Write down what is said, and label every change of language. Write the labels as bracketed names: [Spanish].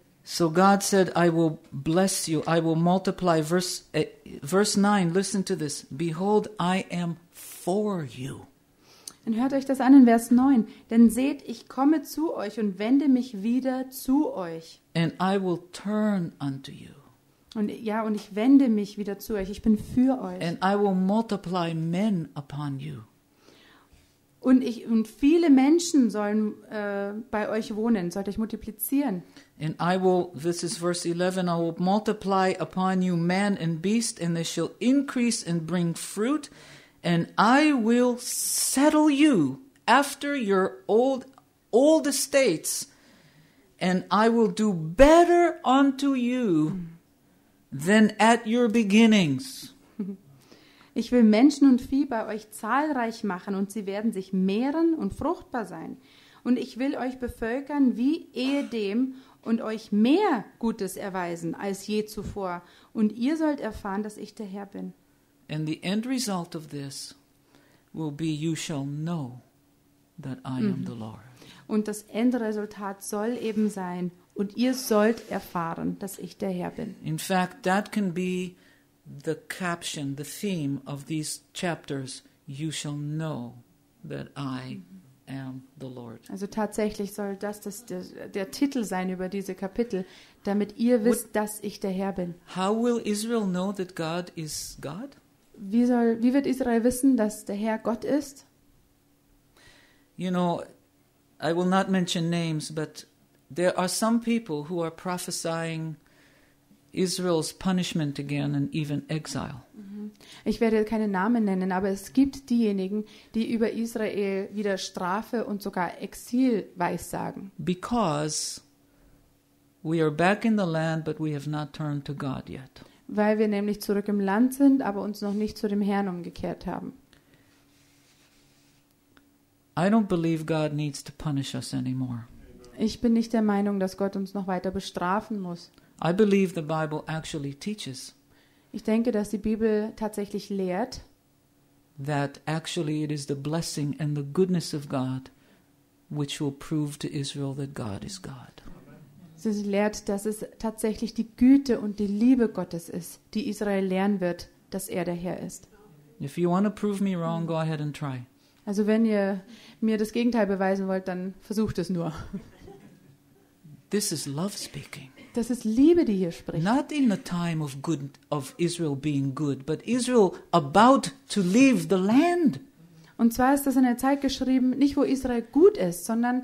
[English] So God said, I will bless you, I will multiply. Verse 9, listen to this. Behold, I am for you. [German] Und hört euch das an in Vers 9. Denn seht, ich komme zu euch und wende mich wieder zu euch. [English] And I will turn unto you. [German] Und ich wende mich wieder zu euch. Ich bin für euch. [English] And I will multiply men upon you. [German] Und viele Menschen sollen bei euch wohnen, sollt euch multiplizieren. [English] And I will, this is verse 11, I will multiply upon you man and beast, and they shall increase and bring fruit, and I will settle you after your old estates, and I will do better unto you than at your beginnings. [German] Ich will Menschen und Vieh bei euch zahlreich machen und sie werden sich mehren und fruchtbar sein. Und ich will euch bevölkern wie ehedem und euch mehr Gutes erweisen als je zuvor. Und ihr sollt erfahren, dass ich der Herr bin. [English] And the end result of this will be, you shall know that I am the Lord. [German] Und das Endresultat soll eben sein, und ihr sollt erfahren, dass ich der Herr bin. [English] In fact, that can be the caption, the theme of these chapters, you shall know that I am the Lord. [German] Also tatsächlich soll das der Titel sein über diese Kapitel, damit ihr wisst, dass ich der Herr bin. [English] How will Israel know that God is God? [German] Wie wird Israel wissen, dass der Herr Gott ist? [English] You know, I will not mention names, but there are some people who are prophesying Israel's punishment again and even exile. [German] Ich werde keine Namen nennen, aber es gibt diejenigen, die über Israel wieder Strafe und sogar Exil weissagen. [English] Because we are back in the land, but we have not turned to God yet. [German] Weil wir nämlich zurück im Land sind, aber uns noch nicht zu dem Herrn umgekehrt haben. [English] I don't believe God needs to punish us anymore. [German] Ich bin nicht der Meinung, dass Gott uns noch weiter bestrafen muss. [English] I believe the Bible actually teaches. [German] Ich denke, dass die Bibel tatsächlich lehrt, [English] that actually it is the blessing and the goodness of God which will prove to Israel that God is God. [German] Sie lehrt, dass es tatsächlich die Güte und die Liebe Gottes ist, die Israel lehren wird, dass er der Herr ist. [English] If you want to prove me wrong, go ahead and try. [German] Also wenn ihr mir das Gegenteil beweisen wollt, dann versucht es nur. [English] This is love speaking. [German] Das ist Liebe, die hier spricht. [English] Not in the time of good of Israel being good, but Israel about to leave the land. [German] Und zwar ist das in der Zeit geschrieben, nicht wo Israel gut ist, sondern